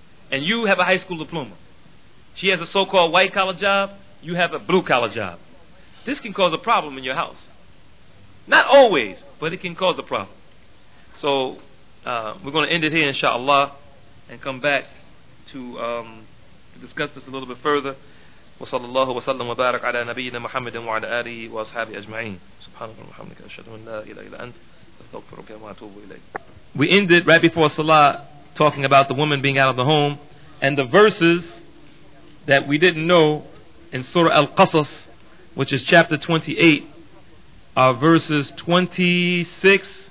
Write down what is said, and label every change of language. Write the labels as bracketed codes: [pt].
[en] And you have a high school diploma. She has a so-called white-collar job, you have a blue-collar job. This can cause a problem in your house. Not always, but it can cause a problem. So we're going to end it here, inshallah, and come back to discuss this a little bit further. [ar] وصلى الله وسلم وبارك على نبينا محمد وعلى آله وأصحابه أجمعين. سبحانك اللهم أشهد أن لا إله إلا أنت أستغفرك وأتوب إليك. [en] We ended right before Salah talking about the woman being out of the home, and the verses that we didn't know in Surah Al-Qasas, which is chapter 28, are verses 26.